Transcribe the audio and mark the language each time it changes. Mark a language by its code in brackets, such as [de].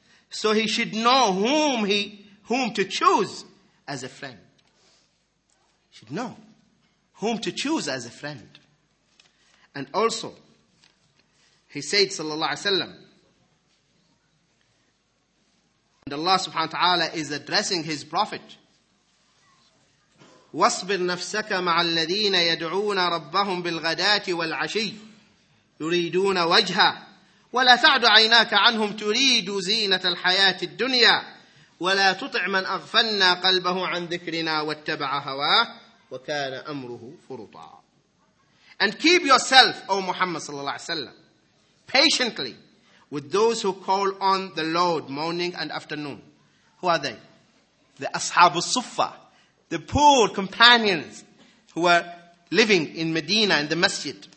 [en] So he should know whom to choose as a friend. He should know whom to choose as a friend. And also, he said, ﷺ, and Allah subhanahu wa ta'ala is addressing his Prophet. [ar] وَاصْبِرْ نَفْسَكَ مَعَ الَّذِينَ يَدْعُونَ رَبَّهُمْ بِالْغَدَاةِ وَالْعَشِيِّ يريدون وجهه ولا تعد عيناك عنهم تريد زينة الحياة الدنيا ولا تطع من أغفلنا قلبه عن ذكرنا واتبع هواه وكان أمره فرطا. [en] And keep yourself, O Muhammad [ar] صلى الله عليه وسلم, [en] patiently with those who call on the Lord morning and afternoon. Who are they? The Ashab al-Suffa, the poor companions who were living in Medina in the masjid.